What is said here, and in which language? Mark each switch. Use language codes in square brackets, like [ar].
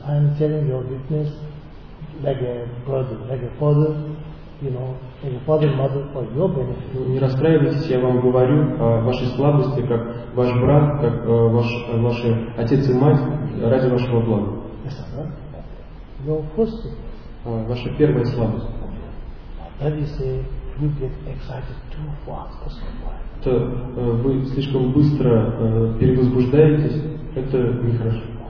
[en] I'm telling your weakness like a brother, like a father. You know, and your father, mother, for your benefit. [ru] Не расстраивайтесь, я вам говорю о вашей слабости, как ваш брат, как ваш отец и мать, ради вашего блага. [en] Yes, right? Your first thing. [ru] Ваша первая слабость. [en] Then you say, you get excited too fast. [ru] То вы слишком быстро перевозбуждаетесь, это нехорошо.